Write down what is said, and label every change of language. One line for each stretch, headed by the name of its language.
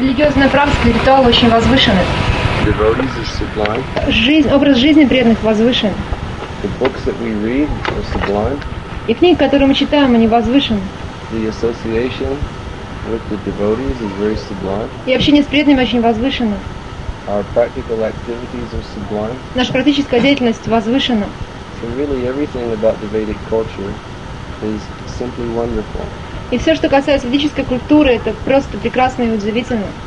Russian: Религиозные практики, ритуалы очень возвышены.
English: Devotees are sublime.
Russian: Жизнь, образ жизни преданных возвышен.
English: The books that we read are sublime.
Russian: И книги, которые мы читаем, они возвышены.
English: The association with the devotees is very sublime.
Russian: И общение с преданными очень возвышено.
English: Our practical activities are sublime.
Russian: Наша практическая деятельность возвышена.
English: So really everything about the Vedic culture is simply wonderful.
Russian: И все, что касается ведической культуры, это просто прекрасно и удивительно.